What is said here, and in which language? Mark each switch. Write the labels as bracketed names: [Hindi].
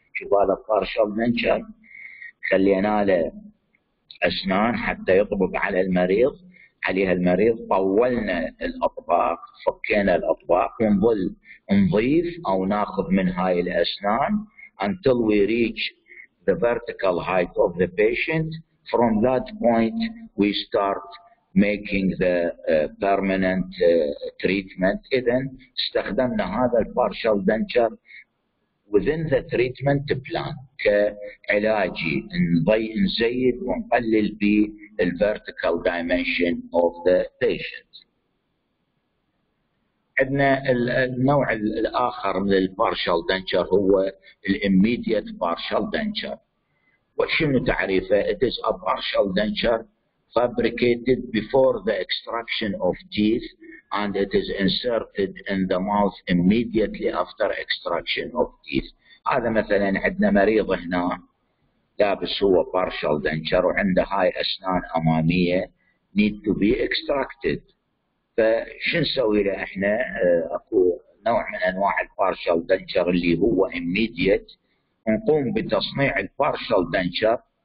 [Arabic] شوف هذا partial denture. خلينا له أسنان حتى يطبق على المريض. عليها المريض طولنا الأطباق. فكينا الأطباق. ونظل نضيف أو ناخذ من هاي الأسنان. [English] Until we reach the vertical height of the patient. From that point we start making the permanent treatment. [Arabic] إذن استخدمنا هذا البارشال دنشر [English] within the treatment plan [Arabic] كعلاجي نزيد ونقلل بـ الـ vertical dimension of the patient. عندنا النوع الآخر من البارشال دنشر هو الـ immediate partial denture. وشنو تعريفه؟ [English] It is a partial denture fabricated before the extraction of teeth and it is inserted in the mouth immediately after extraction of teeth. [Arabic] هذا مثلا عندنا مريض هنا لابس هو partial denture وعنده هاي أسنان أمامية [English] need to be extracted. [Arabic] فشن نسوي له احنا؟ اكو نوع من انواع البارشال دنشر اللي هو اميديت، نقوم بتصنيع البارشال دنشر